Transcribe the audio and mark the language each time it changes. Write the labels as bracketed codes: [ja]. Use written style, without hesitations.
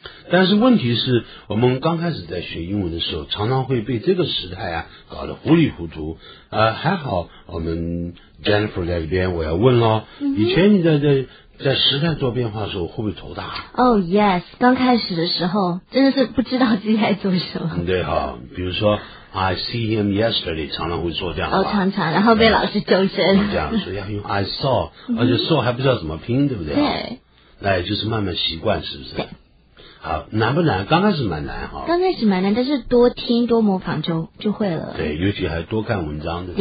[zh] 但是问题是，我们刚开始在学英文的时候，常常会被这个时态啊搞得糊里糊涂。还好我们 Jennifer 在这边，我要问咯，以前你在时态做变化的时候，会不会头大？ [en] Oh yes， [zh] 刚开始的时候真的是不知道自己在做什么。对哈，比如说。 [en] I see him yesterday， [zh] 常常会说这样的话。哦，常常，然后被老师纠正。这样说要用 [en] I saw， [zh] 而且 saw 还不知道怎么拼，对不对？对。哎，就是慢慢习惯，是不是？好，难不难？刚开始蛮难哈。刚开始蛮难，但是多听多模仿就会了。对，尤其还多看文章，对吧？